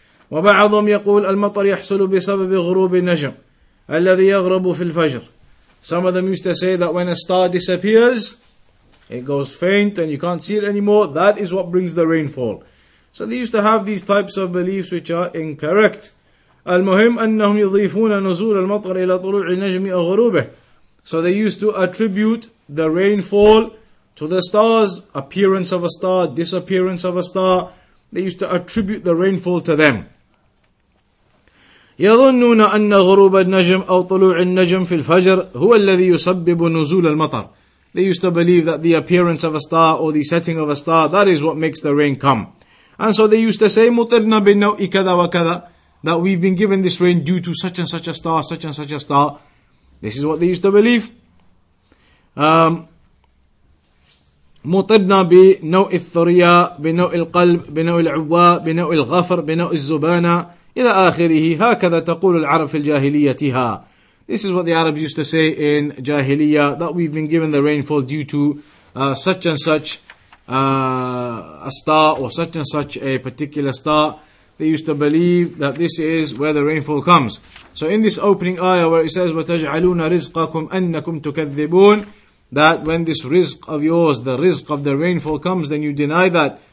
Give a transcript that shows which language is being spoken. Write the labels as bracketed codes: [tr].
[ar] وَبَعَضُمْ يَقُولُ الْمَطَرْ يَحْصُلُ بِسَبَبِ غُرُوبِ النَّجْمِ الَّذِي يَغْرَبُ فِي الْفَجْرِ. [en] Some of them used to say that when a star disappears, it goes faint and you can't see it anymore, that is what brings the rainfall. So they used to have these types of beliefs which are incorrect. [ar] المهم أنهم يضيفون نزول المطر إلى طلوع النجم أو غروبه. [en] So they used to attribute the rainfall to the stars, appearance of a star, disappearance of a star. They used to attribute the rainfall to them. [ar] يظنون أن غروب النجم أو طلوع النجم في الفجر هو الذي يسبب نزول المطر. [en] They used to believe that the appearance of a star or the setting of a star, that is what makes the rain come. And so they used to say [ar] مطرنا بالنوء كذا وكذا, [en] that we've been given this rain due to such and such a star, such and such a star. This is what they used to believe. [ar] مطرنا بنوء الثريا, بنوء القلب, بنوء العواء, بنوء الغفر, بنوء الزبانة, إلى آخره. هكذا تقول العرب في الجاهليتها. [en] This is what the Arabs used to say in Jahiliyyah, that we've been given the rainfall due to such and such a star or such and such a particular star. They used to believe that this is where the rainfall comes. So in this opening ayah where it says, [ar] وَتَجْعَلُونَ رِزْقَكُمْ أَنَّكُمْ تُكَذِّبُونَ, [en] that when this rizq of yours, the rizq of the rainfall comes, then you deny that.